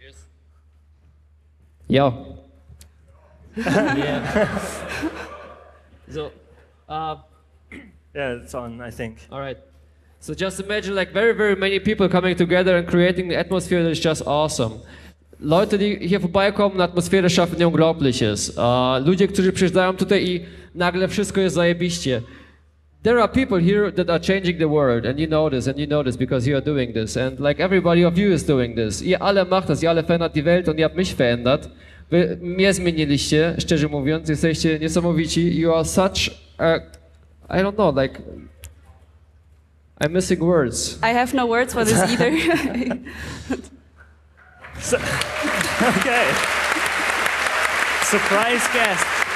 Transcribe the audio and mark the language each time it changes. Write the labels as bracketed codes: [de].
[en] Just... Yo. Yeah. So, yeah, it's on, I think. All right. So just imagine like very, very many people coming together and creating the atmosphere that is just awesome. [de] Leute, die hier vorbeikommen, Atmosphäre schaffen, die unglaublich ist. [pl] Ludzie, którzy przyjeżdżają tutaj I nagle wszystko jest zajebiście. [en] There are people here that are changing the world, and you know this because you are doing this, and like everybody of you is doing this. [de] Ihr alle macht das, ihr alle verändert die Welt und ihr habt mich verändert. [pl] Wy mnie zmieniliście, szczerze mówiąc, jesteście niesamowici. [en] You are such a, I don't know, like, I'm missing words. I have no words for this either. So, okay. Surprise guest.